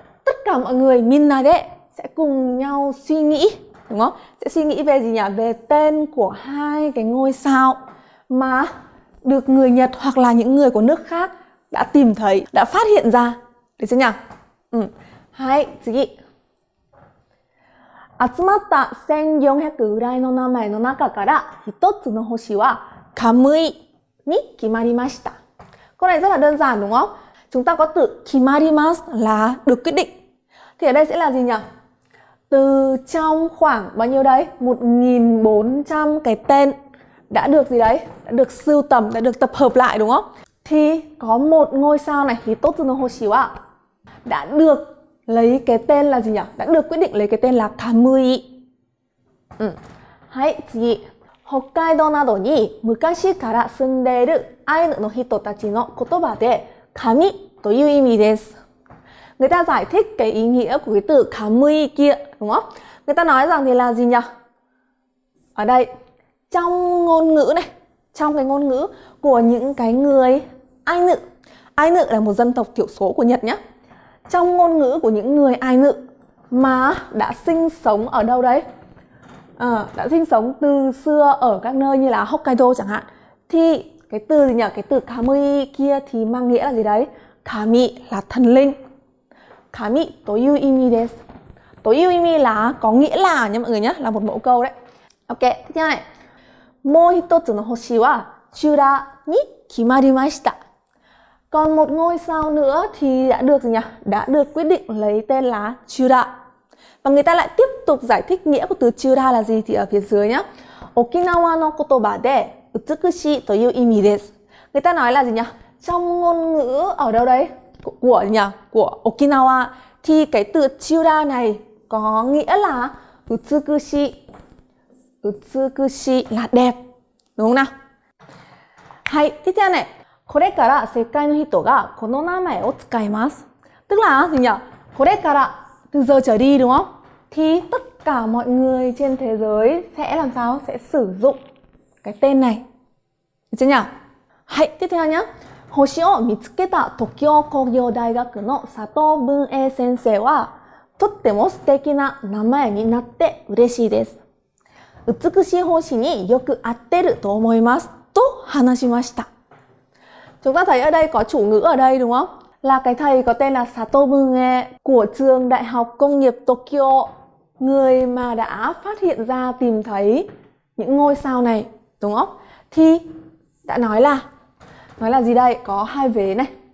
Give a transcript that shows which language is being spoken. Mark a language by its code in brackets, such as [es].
[vi] Tất cả mọi người [ja] minna de [vi] sẽ cùng nhau suy nghĩ, đúng không? Sẽ suy nghĩ về gì nhỉ? Về tên của hai cái ngôi sao mà được người Nhật hoặc là những người của nước khác đã tìm thấy, đã phát hiện ra. Được chưa nhỉ? Hai, chị. [ja] Atsumatta 1400 ぐらいの名前の中から一つの星はカムイに決まりました。 [vi] Câu này rất là đơn giản đúng không? Chúng ta có từ kimarimasu là được quyết định. Thì ở đây sẽ là gì nhỉ? Từ trong khoảng bao nhiêu đấy? 1400 cái tên đã được gì đấy? Đã được sưu tầm, đã được tập hợp lại đúng không? Thì có một ngôi sao này, [ja] hitotsu no hoshi wa, [vi] đã được lấy cái tên là gì nhỉ? Đã được quyết định lấy cái tên là Kamui. [ja] はい、次。北海道などに昔から住んでいるアイヌの人たちの言葉で神という意味です。 [vi] người ta giải thích cái ý nghĩa của cái từ kami kia, đúng không? Người ta nói rằng thì là gì nhỉ? Ở đây, trong ngôn ngữ này, trong cái ngôn ngữ của những cái người Ainu. Ainu là một dân tộc thiểu số của Nhật nhé. Trong ngôn ngữ của những người Ainu mà đã sinh sống ở đâu đấy? À, đã sinh sống từ xưa ở các nơi như là Hokkaido chẳng hạn. Thì cái từ gì nhỉ? Cái từ kami kia thì mang nghĩa là gì đấy? Kami là thần linh. [ja] Kami という意味です. という意味 [vi] là có nghĩa là nha mọi người nhé, là một mẫu câu đấy. Ok, tiếp theo này. [ja] もう一つの星はチュラに決まりました. [vi] Còn một ngôi sao nữa thì đã được gì nhỉ? Đã được quyết định lấy tên là チュラ. Và người ta lại tiếp tục giải thích nghĩa của từ チュラ là gì thì ở phía dưới nhé. [ja] 沖縄の言葉で美しいという意味です. [vi] Người ta nói là gì nhỉ? Trong ngôn ngữ ở đâu đấy? Của nhỉ? Của Okinawa thì cái từ Chura này có nghĩa là utsukushi. Utsukushi là đẹp. Đúng không nào? Hay, tiếp theo này. [ja] Kore kara sekai no hito ga kono namae o tsukaimasu. [vi] Tức là gì nhỉ? [ja] Kore kara, [vi] từ giờ trở đi đúng không? Thì tất cả mọi người trên thế giới sẽ làm sao? Sẽ sử dụng cái tên này. Được chưa nhỉ? Hay, tiếp theo nhé. [ja] 星を見つけた東京工業大学の佐藤文英先生はとっても素敵な名前になって嬉しいです。美しい星によく合ってると思いますと話しました。 [vi] chúng ta thấy ở đây có chủ ngữ ở đây đúng không? Là cái thầy có tên là Sato Bunge của trường Đại học Công nghiệp Tokyo, người mà đã phát hiện ra tìm thấy những ngôi sao này đúng không? Thì đã nói là nói là gì đây? Có hai vế này.